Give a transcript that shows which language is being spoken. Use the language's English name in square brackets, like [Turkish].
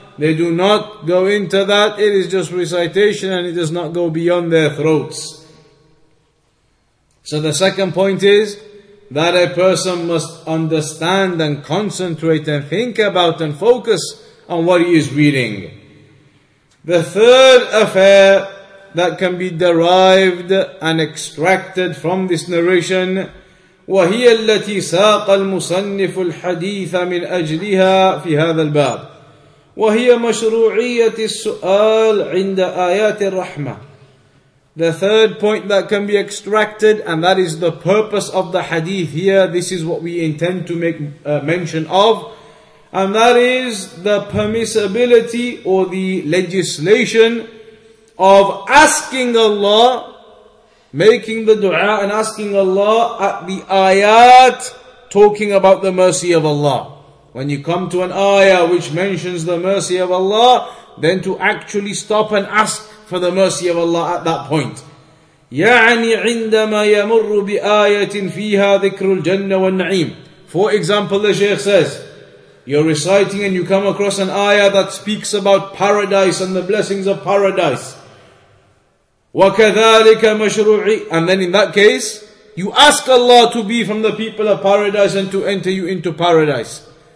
[English] They do not go into that. It is just recitation and it does not go beyond their throats. So the second point is that a person must understand and concentrate and think about and focus on what he is reading. The third affair that can be derived and extracted from this narration, [Arabic] وَهِيَ الَّتِي سَاقَ الْمُصَنِّفُ الْحَدِيثَ مِنْ أَجْلِهَا فِي هَذَا الْبَابِ وهي مشروعية السؤال عند آيات الرحمة. [English] The third point that can be extracted, and that is the purpose of the hadith here, this is what we intend to make mention of, and that is the permissibility or the legislation of asking Allah, making the dua and asking Allah at the ayat talking about the mercy of Allah. When you come to an ayah which mentions the mercy of Allah, then to actually stop and ask for the mercy of Allah at that point. [Arabic] يعني عندما يمر بآية فيها ذكر الجنة والنعيم. [English] For example, the Shaykh says, you're reciting and you come across an ayah that speaks about paradise and the blessings of paradise. [Arabic] وكذلك مشروعي. [English] And then in that case, you ask Allah to be from the people of paradise and to enter you into paradise.